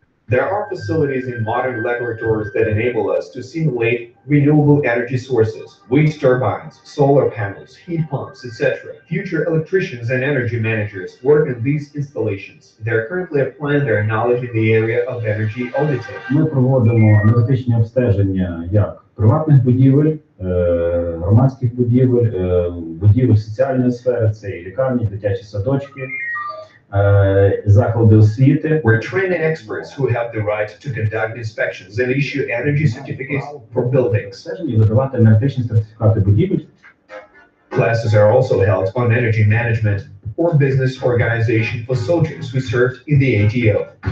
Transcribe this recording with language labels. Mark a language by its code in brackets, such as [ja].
[en] There are facilities in modern laboratories that enable us to simulate renewable energy sources, wind turbines, solar panels, heat pumps, etc. Future electricians and energy managers work in these installations. They are currently applying their knowledge in the area of energy auditing. [uk] Ми проводимо аналітичні обстеження як приватних будівель, громадських будівель, будівель соціальної сфери, це і лікарні, дитячі садочки. [en] We're training experts who have the right to conduct inspections and issue energy certificates for buildings. Classes are also held on energy management or business organization for soldiers who served in the ATO.